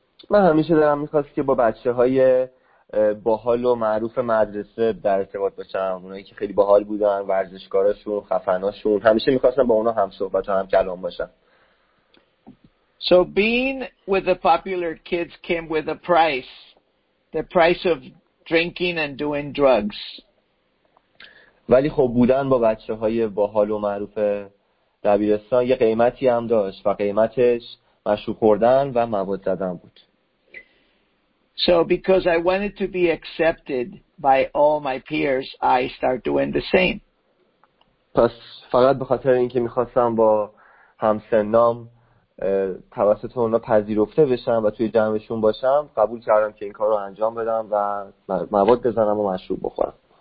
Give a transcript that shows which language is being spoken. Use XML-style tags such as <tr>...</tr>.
<fa>من همیشه دارم می‌خواستم که با بچه‌های باحال و معروف مدرسه در ارتباط باشم، اونایی که خیلی باحال بودن، ورزشکاراشون، خفناشون، همیشه می‌خواستم با اونا هم صحبت و هم کلام باشم.</fa> <en>So being with the popular kids came with a price. The price of drinking and doing drugs.</en> <fa>ولی خب بودن با بچه‌های باحال و معروف دبیرستان یه قیمتی هم داشت و قیمتش مشروب خوردن و مواد زدن بود.</fa> <en>So because I wanted to be accepted by all my peers, I start doing the same.</en> <fa>پس فقط به خاطر اینکه می‌خواستم با همسنام توسط اونا پذیرفته بشم و توی جمعشون باشم، قبول کردم که این کار رو انجام بدم و مواد بزنم و مشروب بخورم.</fa>